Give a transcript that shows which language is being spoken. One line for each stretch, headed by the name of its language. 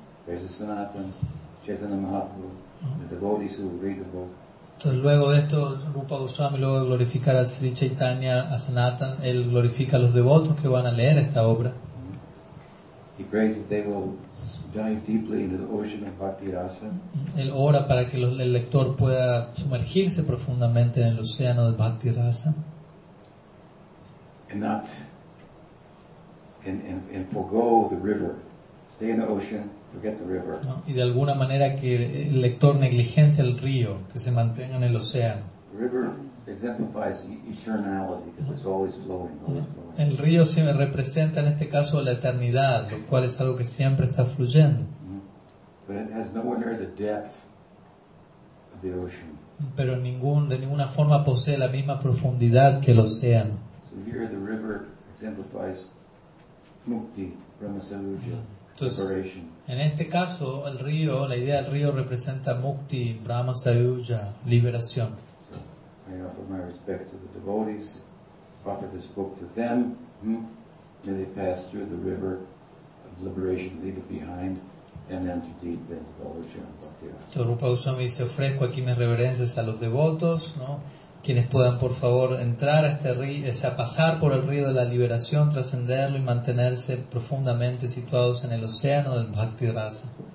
English: Praises Sanatan, Chaitanya Mahaprabhu, the devotees who read the book.
Spanish: Entonces, luego de esto, Rupa Goswami, luego de glorificar a Sri Chaitanya, a Sanatan, él glorifica a los devotos que van a leer esta obra.
English: He praises that they will dive deeply into the ocean of Bhakti Rasa.
Spanish: Él ora para que el lector pueda sumergirse profundamente en el océano de Bhakti Rasa.
English: And forgo the river. Stay in the ocean, forget the river.
Spanish: No, y de alguna manera que el lector negligencie el río, que se mantenga en el océano.
English: River exemplifies eternality because it's always flowing.
Spanish: El río se me representa en este caso la eternidad, lo cual es algo que siempre está fluyendo.
English: But it has nowhere near the depth of the ocean.
Spanish: Pero de ninguna forma posee la misma profundidad que el océano.
English: So here the river exemplifies mukti, brahmasarujya, liberation.
Spanish: En este caso el río, la idea del río representa mukti, brahmasarujya, liberación.
English: I offer my respect to the devotees, offer this book to them, may they pass through the river of liberation, leave it behind, and enter deep into the ocean of Bhakti Rasa.
Spanish: Rupa Goswami dice, ofrezco aquí mis reverencias a los devotos, ¿no? Quienes puedan por favor entrar a este río, o sea, pasar por el río de la liberación, trascenderlo y mantenerse profundamente situados en el océano del Bhakti Rasa.